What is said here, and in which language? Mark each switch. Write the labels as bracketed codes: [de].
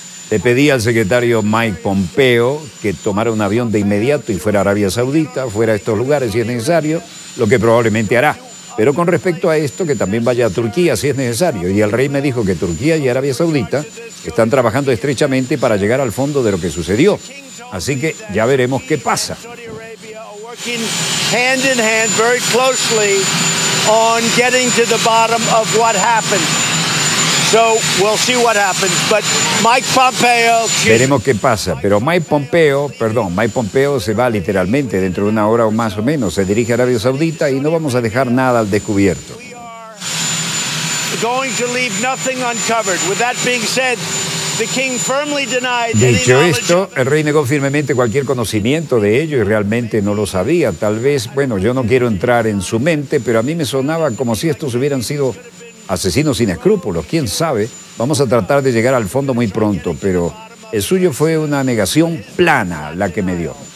[es] Le pedí al secretario Mike Pompeo que tomara un avión de inmediato y fuera a Arabia Saudita, fuera a estos lugares si es necesario, lo que probablemente hará. Pero con respecto a esto, que también vaya a Turquía si es necesario. Y el rey me dijo que Turquía y Arabia Saudita están trabajando estrechamente para llegar al fondo de lo que sucedió. Así que ya veremos qué pasa. [en] working hand in hand very closely on getting to the bottom of what happened. So we'll see what happens, but Mike Pompeo. [es] Veremos qué pasa, pero Mike Pompeo se va literalmente dentro de una hora o más o menos, se dirige a Arabia Saudita y no vamos a dejar nada al descubierto. [en] Going to leave nothing uncovered. With that being said, the king firmly denied. [es] Dicho esto, el rey negó firmemente cualquier conocimiento de ello y realmente no lo sabía. Tal vez, bueno, yo no quiero entrar en su mente, pero a mí me sonaba como si estos hubieran sido asesinos sin escrúpulos. ¿Quién sabe? Vamos a tratar de llegar al fondo muy pronto, pero el suyo fue una negación plana la que me dio.